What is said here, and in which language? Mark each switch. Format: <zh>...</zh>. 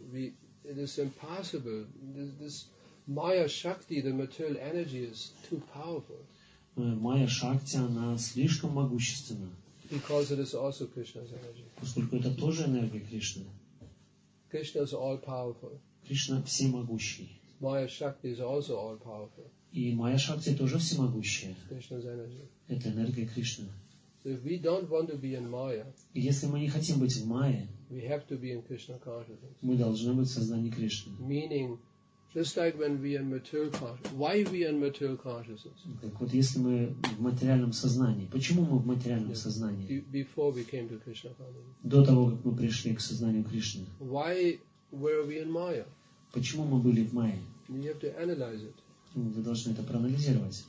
<en>it is impossible. This Maya Shakti, the material energy, is too powerful.</en> <ru>Майя Шакти, она слишком могущественна.</ru> <en>Because it is also Krishna's energy.</en> <ru>Поскольку это тоже энергия Кришны.</ru> <en>Krishna is all powerful.</en> <ru>Кришна всемогущий.</ru> <en>Майя Шакти is also all powerful.</en> <ru>И Майя Шакти тоже всемогущая.</ru> <en>Krishna's energy.</en> <ru>Это энергия Кришны.</ru> <en>So if we don't want to be in Maya,</en> <ru>если мы не хотим быть в Майе,</ru> <en>we have to be in Krishna consciousness.</en> <ru>Мы должны быть в сознании Кришны.</ru> <en>Meaning, just like when we are in material consciousness. Why we are in material consciousness?</en> <ru>Так вот, если мы в материальном сознании, почему мы в материальном сознании?</ru> <en>Before we came to Krishna consciousness.</en> <ru>До того, как мы пришли к сознанию Кришны.</ru> <en>Why were we in Maya?</en> <ru>Почему мы были в Майе?</ru> <en>You have to analyze it.</en> <ru>Вы должны это проанализировать.</ru>